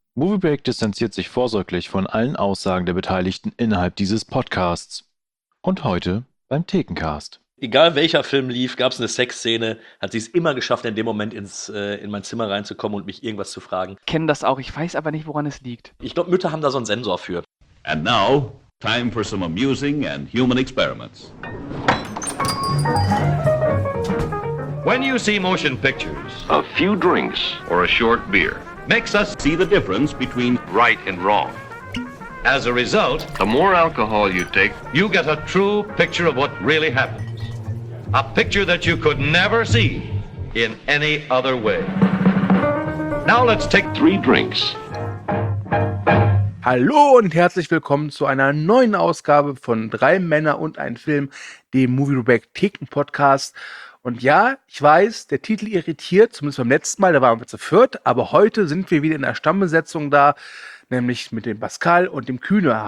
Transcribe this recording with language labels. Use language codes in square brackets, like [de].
[de] Movie Break distanziert sich vorsorglich von allen Aussagen der Beteiligten innerhalb dieses Podcasts. Und heute beim Thekencast. Egal welcher Film lief, gab es eine Sexszene, hat sie es immer geschafft, in dem Moment in mein Zimmer reinzukommen und mich irgendwas zu fragen. Kennen das auch, ich weiß aber nicht, woran es liegt. Ich glaube, Mütter haben da so einen Sensor für. [en] And now, time for some amusing and human experiments. When you see motion pictures, a few drinks or a short beer makes us see the difference between right and wrong. As a result, the more alcohol you take, you get a true picture of what really happens. A picture that you could never see in any other way. Now let's take three drinks. [de] Hallo und herzlich willkommen zu einer neuen Ausgabe von Drei Männer und ein Film, dem Movie Rubik Ticken Podcast. Und ja, ich weiß, der Titel irritiert, zumindest beim letzten Mal, da waren wir zu viert, aber heute sind wir wieder in der Stammbesetzung da, nämlich mit dem Pascal und dem Kühne.